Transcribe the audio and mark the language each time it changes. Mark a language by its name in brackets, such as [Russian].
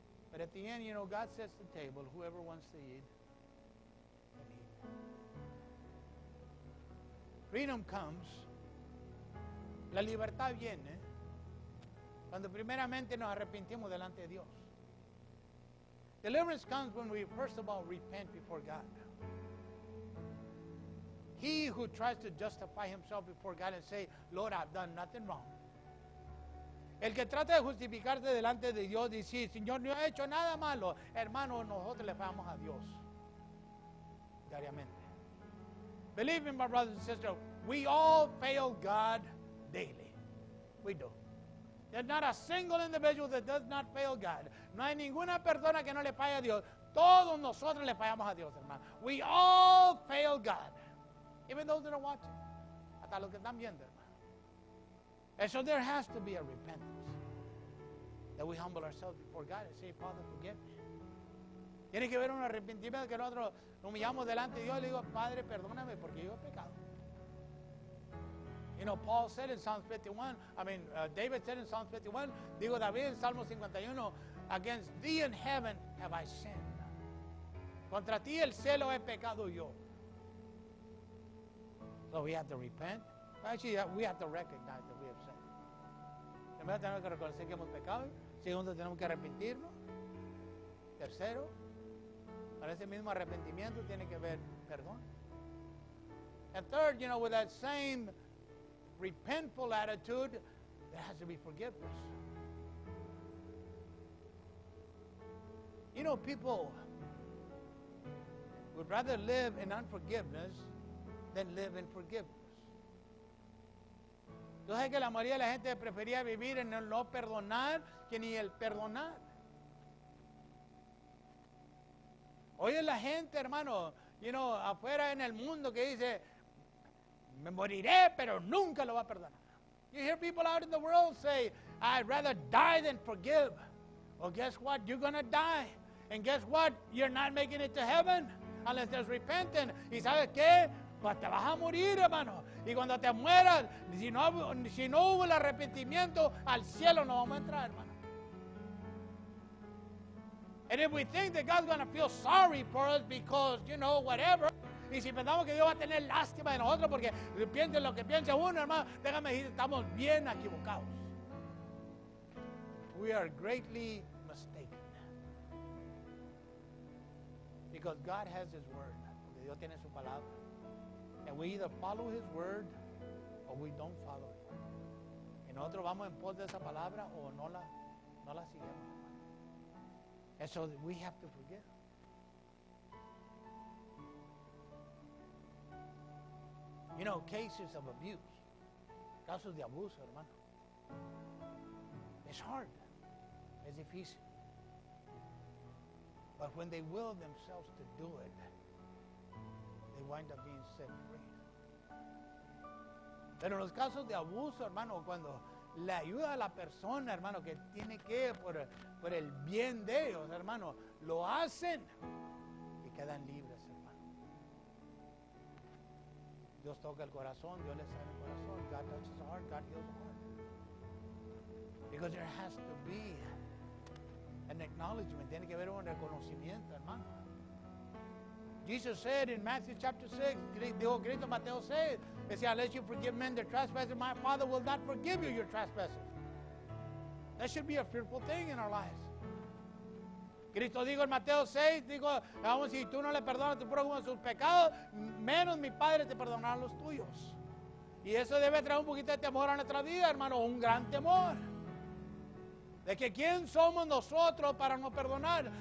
[English] But at the end, you know, God sets the table, whoever wants to eat, can eat. Freedom comes. [Spanish] La libertad viene cuando primeramente nos arrepentimos delante de Dios. [English] Deliverance comes when we first of all repent before God. He who tries to justify himself before God and say, Lord, I've done nothing wrong. [Spanish] El que trata de justificarse delante de Dios dice, Señor, no he hecho nada malo. Hermano, nosotros le fallamos a Dios diariamente. [English] Believe me, my brothers and sisters, we all fail God daily. We do. There's not a single individual that does not fail God. [Spanish] No hay ninguna persona que no le falle a Dios. Todos nosotros le fallamos a Dios, hermano. [English] We all fail God. Even those that are watching. [Spanish] Hasta los que están viendo, hermano. [English] And so there has to be a repentance. That we humble ourselves before God and say, Father, forgive me. [Spanish] Tiene que haber un arrepentimiento que nosotros nos humillamos delante de Dios y le digo, Padre, perdóname porque yo he pecado. [English] You know, Paul said in Psalms 51, David said in Psalms 51, [Spanish] digo David en Salmo 51, [English] against thee in heaven have I sinned. [Spanish] Contra ti el celo he pecado yo. [English] So we have to repent. Actually, we have to recognize that we have sinned. [Spanish] Primero tenemos que reconocer que hemos pecado. Segundo, tenemos que arrepentirnos. Tercero, para ese mismo arrepentimiento tiene que haber perdón. [English] And third, you know, with that same repentful attitude, there has to be forgiveness. You know, people would rather live in unforgiveness than live in forgiveness. [Spanish] Yo sé que la mayoría de la gente prefería vivir en el no perdonar que ni el perdonar. Oye, la gente, hermano, [English] you know, [Spanish] afuera en el mundo que dice, me moriré, pero nunca lo va a perdonar. [English] You hear people out in the world say, I'd rather die than forgive. Well, guess what? You're going to die. And guess what? You're not making it to heaven unless there's repentance. [Spanish] ¿Y sabes qué? Pues te vas a morir, hermano. Y cuando te mueras, si no hubo el arrepentimiento, al cielo no vamos a entrar, hermano. [English] And if we think that God's going to feel sorry for us because, you know, whatever, [Spanish] y si pensamos que Dios va a tener lástima de nosotros porque piensa lo que piensa uno, hermano, déjame decir, estamos bien equivocados. [English] We are greatly mistaken. Because God has His word. [Spanish] Dios tiene su palabra. [English] And we either follow His word or we don't follow it. [Spanish] Y nosotros vamos en pos de esa palabra o no la seguimos. [English] And so we have to forgive. You know, cases of abuse. [Spanish] Casos de abuso, hermano. [English] It's hard. It's difícil. But when they will themselves to do it, they wind up being set free. [Spanish] Pero en los casos de abuso, hermano, cuando le ayuda a la persona, hermano, que tiene que por el bien de ellos, hermano, lo hacen y quedan libres, hermano. Dios toca el corazón, Dios le sale el corazón. [English] God touches the heart, God heals the heart. Because there has to be an acknowledgement. [Spanish] Tiene que haber un reconocimiento, hermano. [English] Jesus said in Matthew chapter 6, [Spanish] dijo Cristo en Mateo 6, decía, [English] unless you forgive men their trespasses, my Father will not forgive you your trespasses. That should be a fearful thing in our lives. [Spanish] Cristo dijo en Mateo 6, dijo, vamos, si tú no le perdonas a tu prójimo sus pecados, menos mi Padre te perdonará los tuyos. Y eso debe traer un poquito de temor a nuestra vida, hermano, un gran temor. De que quién somos nosotros para no perdonar.